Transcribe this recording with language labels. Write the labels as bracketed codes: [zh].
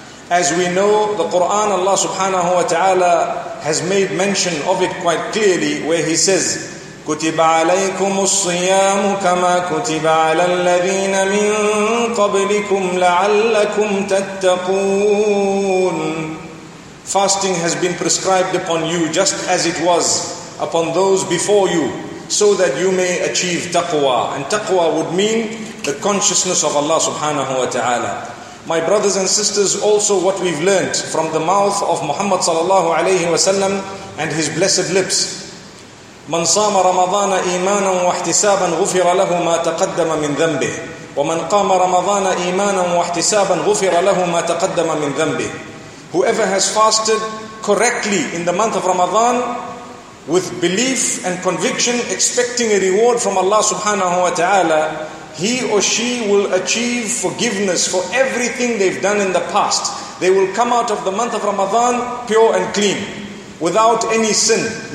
[en] As we know, the Qur'an, Allah subhanahu wa ta'ala has made mention of it quite clearly, where He says, [ar] كُتِبَ عَلَيْكُمُ الصِّيَامُ كَمَا كُتِبَ عَلَى الَّذِينَ مِن قَبْلِكُمْ لَعَلَّكُمْ تَتَّقُونَ. [en] Fasting has been prescribed upon you just as it was upon those before you, so that you may achieve taqwa. And taqwa would mean the consciousness of Allah subhanahu wa ta'ala. My brothers and sisters, also what we've learnt from the mouth of Muhammad sallallahu alayhi wa sallam and his blessed lips, [ar] مَنْ صَامَ رَمَضَانَ إِيمَانًا وَاحْتِسَابًا غُفِرَ لَهُ مَا تَقَدَّمَ مِنْ ذَنْبِهِ وَمَنْ قَامَ رَمَضَانَ إِيمَانًا وَاحْتِسَابًا غُفِرَ لَهُ مَا تَقَدَّمَ مِنْ ذَنْبِهِ. [en] Whoever has fasted correctly in the month of Ramadan, with belief and conviction, expecting a reward from Allah subhanahu wa ta'ala, he or she will achieve forgiveness for everything they've done in the past. They will come out of the month of Ramadan pure and clean, without any sin.